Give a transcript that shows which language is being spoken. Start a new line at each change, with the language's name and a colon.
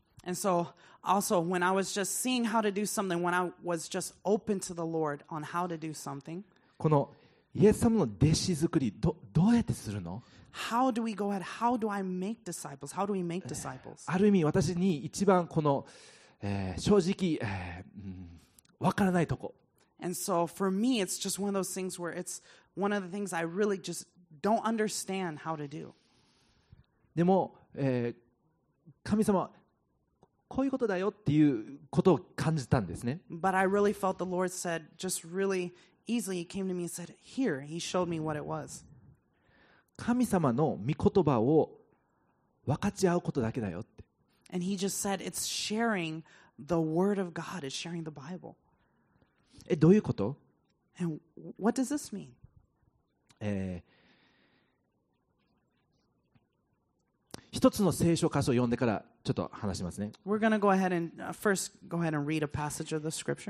English: And so also when I was just seeing how to do something, when I was just open to the Lord on how to do something,
Japanese: このイエス様の弟子作り、どうやってするの？
English: How do we go ahead? How do I make disciples? How do we make disciples?
Japanese: ある意味私に一番この、正直、分からないとこ。
English: And so for me, it's just one of those things where it's one of the things I really just don't understand how to do.
Japanese: でも、神様、こういうことだよっていうことを感じたんですね。
English: But I really felt the Lord said just really easily he came to me and said, here, he showed me what it was.
Japanese: 神様の御言葉を分かち合うことだけだよって。
English: And he just said, it's sharing the word of God, it's sharing the Bible.
Japanese: え、どういうこと？
English: And what does this mean?
Japanese: 一つの聖書箇所を読んでからちょっと話しますね。
English: We're gonna go ahead and first go ahead and read a passage of the scripture.